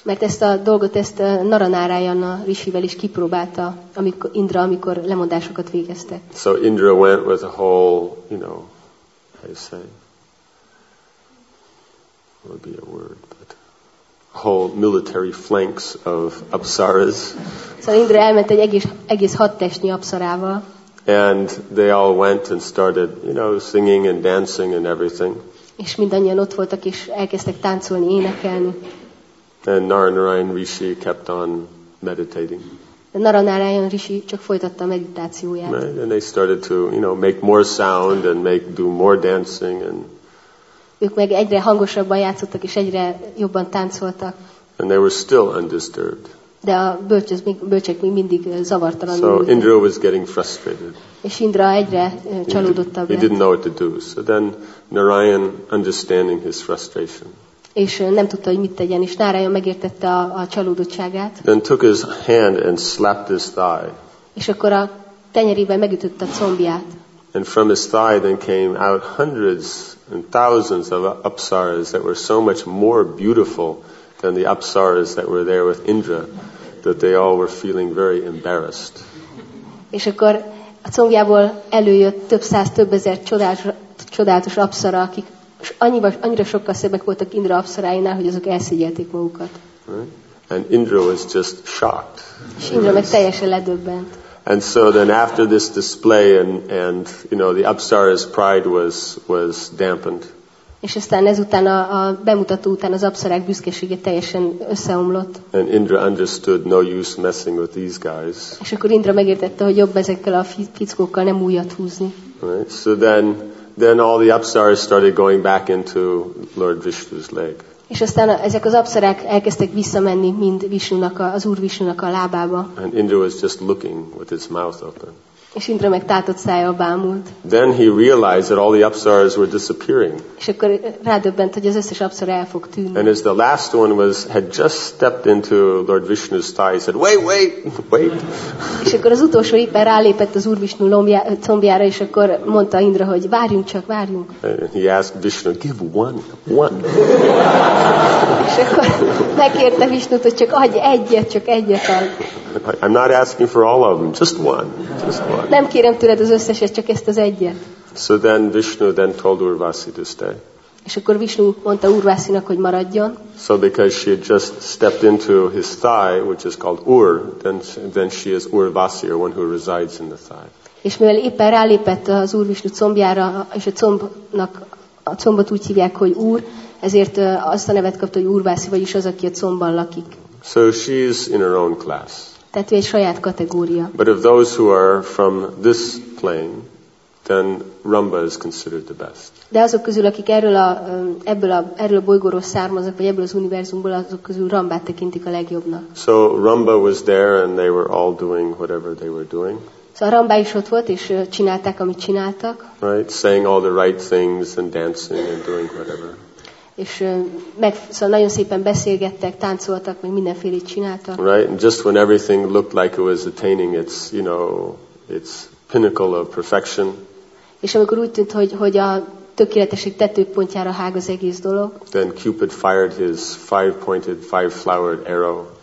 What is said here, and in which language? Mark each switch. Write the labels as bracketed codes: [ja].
[hu] Mert ezt a dolgot ezt Naranarayan Rishivel is kipróbálta, amikor Indra amikor lemondásokat végezte. [en] So Indra went with a whole, you know, how you say, would be a word, but whole military flanks of apsaras. [hu] So Indra elment egy egész hadtestnyi apsarával. [en] And they all went and started, you know, singing and dancing and everything. [hu] És mindannyian ott voltak és elkezdtek táncolni, énekelni. [en] And Naranarayan Rishi kept on meditating. [hu] Naranarayan Rishi csak folytatta a meditációját. [en] Right? And they started to, you know, make more sound and do more dancing and. [hu] Ők meg egyre hangosabban játszottak és egyre jobban táncoltak. [en] And they were still undisturbed. [hu] De a bölcsek még mindig zavartalanul. [en] So Indra was getting frustrated. [hu] És Indra egyre csalódottabb lett. [en] He didn't know what to do. So then Narayan, understanding his frustration. [hu] És nem tudta, hogy mit tegyen, és Narayan megértette a csalódottságát. [en] Then took his hand and slapped his thigh. [hu] És akkor a tenyerével megütötte a combját. [en] And from his thigh then came out hundreds and thousands of apsaras that were so much more beautiful than the apsaras that were there with Indra, that they all were feeling very embarrassed. [hu] És akkor a combjából előjött több száz, több ezer csodálatos apsara, akik annyira sokkal szebbek voltak Indra apsarainál, hogy azok elszégyelték magukat. [en] Right? And Indra was just shocked. [hu] És Indra meg teljesen ledöbbent. [en] And so then after this display and you know, the apsara's pride was dampened. [hu] És aztán ezután a bemutató után az apsarák büszkesége teljesen összeomlott. [en] And Indra understood no use messing with these guys. [hu] És akkor Indra megértette, hogy jobb ezekkel a fickókkal nem újat húzni. [en] Right. So then all the apsaras started going back into Lord Vishnu's leg. [hu] És aztán ezek az apsarák elkezdtek visszamenni mind Vishnunak az Úr Vishnunak a lábába. [en] And Indra was just looking with his mouth open. [hu] És Indra meg tátott szájjal bámult. [en] Then he realized that all the apsaras were disappearing. [hu] És akkor rádöbbent, hogy az összes apsara el fog tűnni. [en] And as the last one had just stepped into Lord Vishnu's thigh, he said, wait. [hu] És akkor az utolsó éppen rálépett az Úr Vishnu combjára, és akkor mondta Indra, hogy várjunk. [en] And he asked Vishnu, give one. [hu] És akkor megkérte Vishnut, hogy csak adj egyet, csak egyet ad. [en] I'm not asking for all of them, just one. [hu] Nem kérem tőled az összeset, csak ezt az egyet. [en] So then Vishnu then told Urvasi to stay. [hu] És akkor Vishnu mondta Urvasinak, hogy maradjon. [en] So because she had just stepped into his thigh, which is called Ur, then she is Urvasi, or one who resides in the thigh. [hu] És mivel éppen rálépett az Úr Vishnu combjára, és a combnak a combot úgy hívják, hogy Ur, ezért azt a nevet kapta, hogy Urvasi, vagyis az, aki a combban lakik. [en] So she is in her own class. [hu] Tehát ő egy saját kategória. [en] But of those who are from this plane, then Rumba is considered the best. [hu] De azok közül, akik erről a bolygóról származnak, vagy ebből az univerzumból, azok közül Rambát tekintik a legjobbnak. [en] So Rumba was there, and they were all doing whatever they were doing. [hu] So Rambá is ott volt, és csinálták, amit csináltak. [en] Right, saying all the right things and dancing and doing whatever. [hu] És meg szóval nagyon szépen beszélgettek, táncoltak, meg mindenfélét csináltak. [en] Right, and just when everything looked like it was attaining its, you know, its pinnacle of perfection. [hu] És amikor úgy tűnt, hogy a tökéletesség tetőpontjára hág az egész dolog. [en] Then Cupid fired his five-pointed, five-flowered arrow.